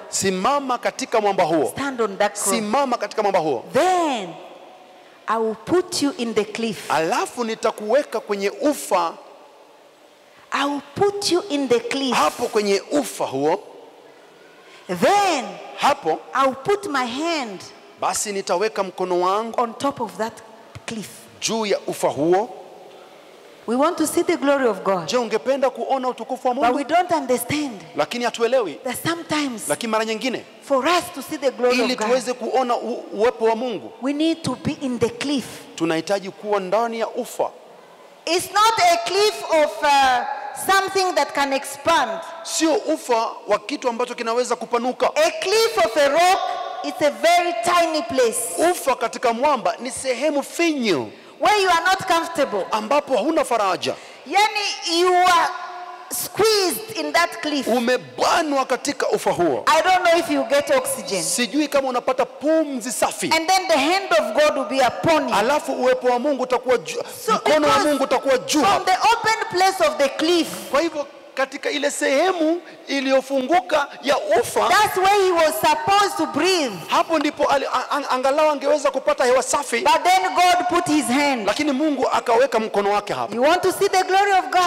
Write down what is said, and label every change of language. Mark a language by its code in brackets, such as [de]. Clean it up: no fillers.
[sw] Simama katika mwamba huo. [en] Stand on that rock. [sw] Simama katika mwamba huo. [en] Then I will put you in the cliff. [sw] Alafu nitakuweka kwenye ufa. [en] I will put you in the cliff. [sw] Hapo kwenye ufa huo. [en] Then [sw] hapo [en] I will put my hand. [sw] Basi nitaweka mkono wangu [en] on top of that cliff. [sw] Juu ya ufa huo. [en] We want to see the glory of God. [sw] Je, ungependa kuona utukufu wa Mungu? [en] But we don't understand. [sw] Lakini hatuelewi. [en] That sometimes. [sw] Lakini mara nyingine. [en] For us to see the glory of God. [sw] Ili tuweze kuona uwepo wa Mungu. [en] We need to be in the cliff. [sw] Tunahitaji kuwa ndani ya ufa. [en] It's not a cliff of something that can expand. [sw] Sio ufa wa kitu ambacho kinaweza kupanuka. [en] A cliff of a rock is a very tiny place. [sw] Ufa katika mwamba ni sehemu finyu. [en] Where you are not comfortable. [sw] Ambapo huna faraja. [en] Yani you are squeezed in that cliff. [sw] Umebanwa katika ufa huo. [en] I don't know if you get oxygen. [sw] Sijui kama unapata pumzi safi. [en] And then the hand of God will be upon you. [sw] Alafu uwepo wa Mungu utakuwa juu. Mkono wa Mungu utakuwa juu. [en] From the open place of the cliff. [sw] Kwa hivyo katika ile sehemu iliyofunguka ya ufa. [en] That's where he was supposed to breathe. [sw] Hapo ndipo angalau angeweza kupata hewa safi. [en] But then God put his hand. [sw] Lakini Mungu akaweka mkono wake hapo. [en] You want to see the glory of God?